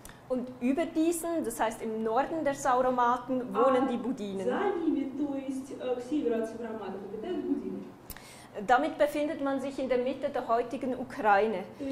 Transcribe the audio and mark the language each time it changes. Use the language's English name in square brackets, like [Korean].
[German] Und über diesen, das heißt im Norden der Sauromaten, wohnen die Budinen. [Russian] За ними, то есть к северу от Сауроматов, обитают Будины. [German] Damit befindet man sich in der Mitte der heutigen Ukraine.